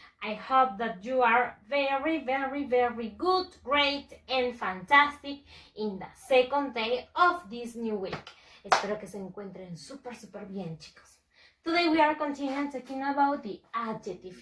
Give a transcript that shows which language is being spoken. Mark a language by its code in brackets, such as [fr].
[en] I hope that you are very, very, very good, great, and fantastic in the second day of this new week. [es] Espero que se encuentren super, super bien, chicos. [en] Today we are continuing talking about the adjective.